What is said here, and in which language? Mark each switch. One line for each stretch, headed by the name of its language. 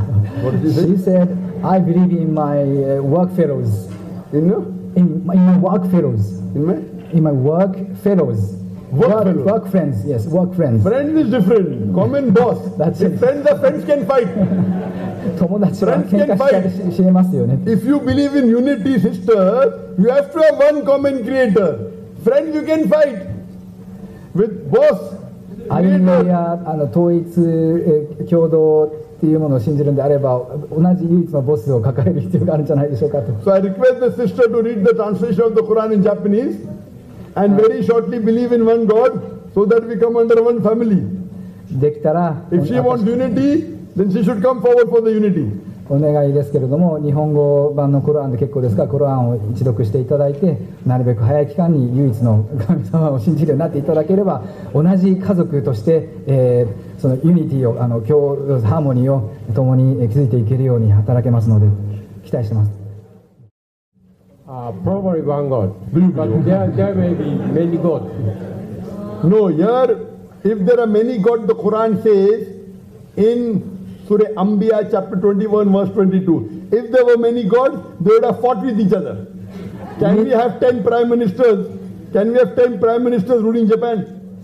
English: She said, I believe in my work fellows. In my work fellows. Work friends, yes, work friends. Friends is different. Common boss. That's it. Friends are friends can fight.
Japanese: 友達は喧嘩しれますよね。
English: If you believe in unity, sister, you have to have one common creator. Friends, you can fight with boss.
Japanese: 歩み寄りや統一共同っていうものを信じるんであれば、同じ唯一のボスを抱える必要があるんじゃないでしょうかと。
English: So I request the sister to read the translation of the Quran in Japanese. And very shortly believe in one God so that we come under one family.
Japanese: できたら、
English: If she wants unity, then she should come forward for the unity.
Japanese: お願いですけれども、日本語版のコランで結構ですが、コランを一読していただいて、なるべく早い期間に唯一の神様を信じるようになっていただければ、同じ家族として、そのユニティを、ハーモニーを共に築いていけるように働けますので、期待しています。
English: Probably one God, but there may be many gods. No, here, if there are many gods, the Quran says in Surah Anbiya chapter 21 verse 22, if there were many gods, they would have fought with each other. Can we have 10 prime ministers? Can we have 10 prime ministers ruling Japan?